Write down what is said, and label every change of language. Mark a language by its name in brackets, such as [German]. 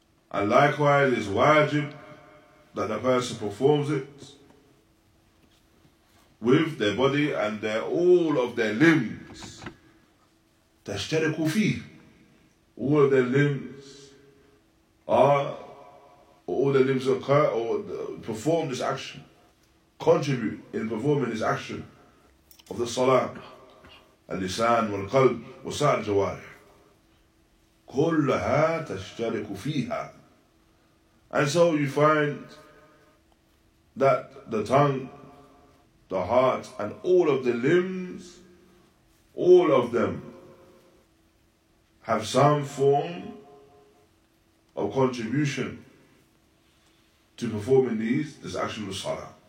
[English] And likewise it is wajib that the person performs it with their body and their all of their limbs. [Arabic] تَشْتَرِكُ فِيهِ. [English] All of their limbs are, all their limbs occur or perform this action, contribute in performing this action of the salah. [Arabic] اللسان والقلب وساع الجوارح كلها تشترك فيها. [English] And so you find that the tongue, the heart, and all of the limbs, all of them have some form of contribution to performing these, this action of salah.